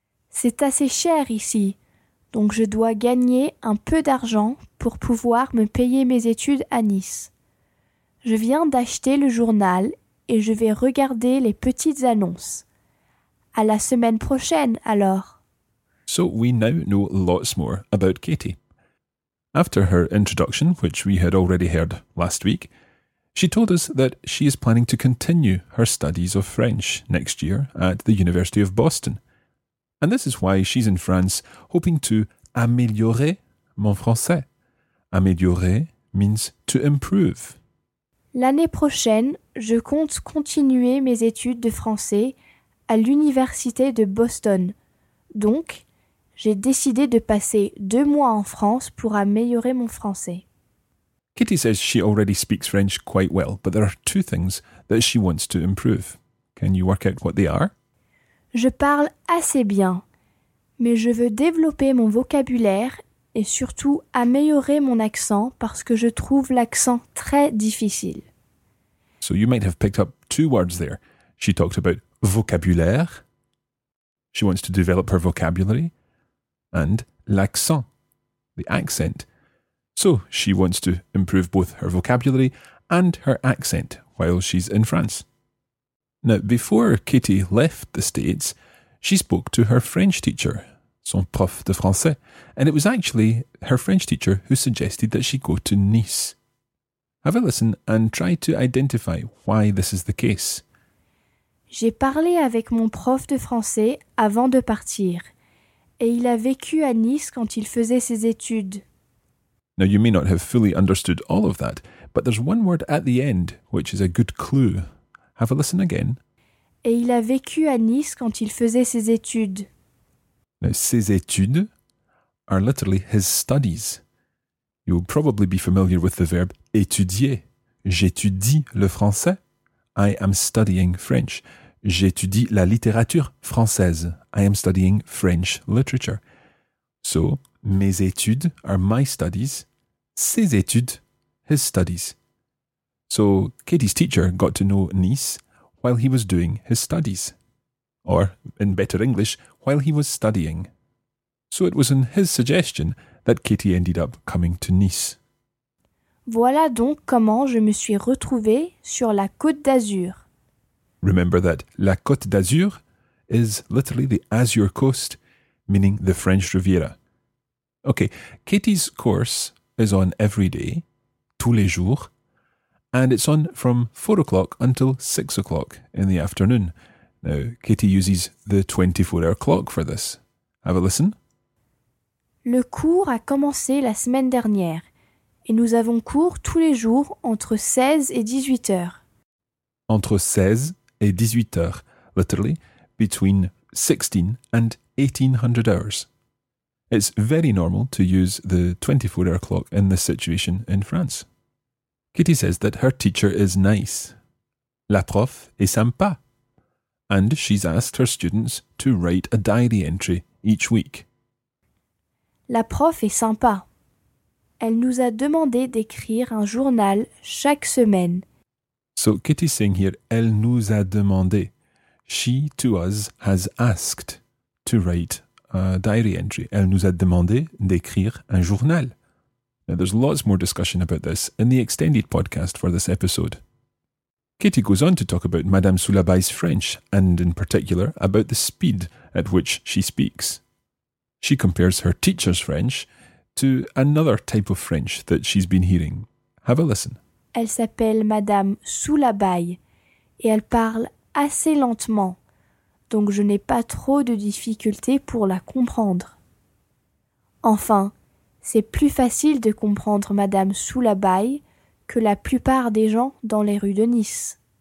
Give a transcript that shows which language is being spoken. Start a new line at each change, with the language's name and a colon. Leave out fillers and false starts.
French: C'est assez cher ici, donc je dois gagner un peu d'argent pour pouvoir me payer mes études à Nice. Je viens d'acheter le journal et je vais regarder les petites annonces. À la semaine prochaine, alors.
English: So we now know lots more about Katie. After her introduction, which we had already heard last week, she told us that she is planning to continue her studies of French next year at the University of Boston. And this is why she's in France, hoping to
French: améliorer mon français.
English: Améliorer means to improve.
French: L'année prochaine, je compte continuer mes études de français à l'Université de Boston. Donc, j'ai décidé de passer 2 mois en France pour améliorer mon français.
English: Katie says she already speaks French quite well, but there are 2 things that she wants to improve. Can you work out what they are?
French: Je parle assez bien, mais je veux développer mon vocabulaire et surtout améliorer mon accent parce que je trouve l'accent très difficile.
English: So you might have picked up 2 words there. She talked about vocabulaire. She wants to develop her vocabulary. And l'accent, the accent. So she wants to improve both her vocabulary and her accent while she's in France. Now, before Katie left the States, she spoke to her French teacher,
French: son prof de français,
English: and it was actually her French teacher who suggested that she go to Nice. Have a listen and try to identify why this is the case.
French: J'ai parlé avec mon prof de français avant de partir, et il a vécu à Nice quand il faisait ses études.
English: Now, you may not have fully understood all of that, but there's one word at the end which is a good clue. Have a listen again.
French: Et il a vécu à Nice quand il faisait ses études.
English: Now,
French: ses études
English: are literally his studies. You'll probably be familiar with the verb étudier.
French: J'étudie le français.
English: I am studying French.
French: J'étudie la littérature française.
English: I am studying French literature. So,
French: mes études
English: are my studies.
French: Ses études,
English: his studies. So, Katie's teacher got to know Nice while he was doing his studies. Or, in better English, while he was studying. So it was in his suggestion that Katie ended up coming to Nice.
French: Voilà donc comment je me suis retrouvée sur la Côte d'Azur.
English: Remember that la Côte d'Azur is literally the Azure Coast, meaning the French Riviera. Okay, Katie's course is on every day,
French: tous les jours,
English: and it's on from 4 o'clock until 6 o'clock in the afternoon. Now, Katie uses the 24-hour clock for this. Have a listen.
French: Le cours a commencé la semaine dernière et nous avons cours tous les jours entre 16 et 18 heures. Entre 16 et 18 heures,
English: literally, between 16 and 1800 hours. It's very normal to use the 24-hour clock in this situation in France. Katie says that her teacher is nice.
French: La prof est sympa.
English: And she's asked her students to write a diary entry each week.
French: La prof est sympa. Elle nous a demandé d'écrire un journal chaque semaine.
English: So Katie's saying here,
French: elle nous a demandé.
English: She to us has asked to write a diary entry.
French: Elle nous a demandé d'écrire un journal.
English: Now, there's lots more discussion about this in the extended podcast for this episode. Katie goes on to talk about Madame Soulabye's French, and in particular, about the speed at which she speaks. She compares her teacher's French to another type of French that she's been hearing. Have a listen.
French: Elle s'appelle Madame Soulabye, et elle parle assez lentement, donc je n'ai pas trop de difficultés pour la comprendre. Enfin, c'est plus facile de comprendre Madame Soulabye que la plupart des gens dans les rues de Nice.